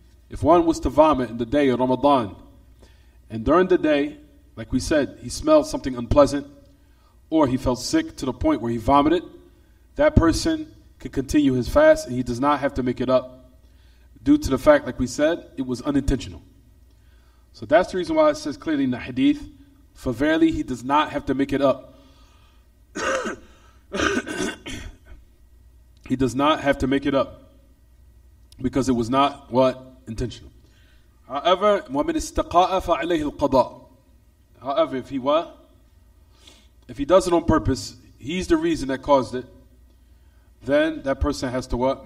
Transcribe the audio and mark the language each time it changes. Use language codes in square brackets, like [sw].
[en] If one was to vomit in the day of Ramadan, and during the day, like we said, he smelled something unpleasant, or he felt sick to the point where he vomited, that person could continue his fast, and he does not have to make it up due to the fact, like we said, it was unintentional. So that's the reason why it says clearly in the hadith, for verily he does not have to make it up. He does not have to make it up because it was not what? Intentional. However, [ar] وَمِنْ إِسْتَقَاءَ فَعَلَيْهِ الْقَضَاءِ. [en] However, if he what? If he does it on purpose, he's the reason that caused it, then that person has to what?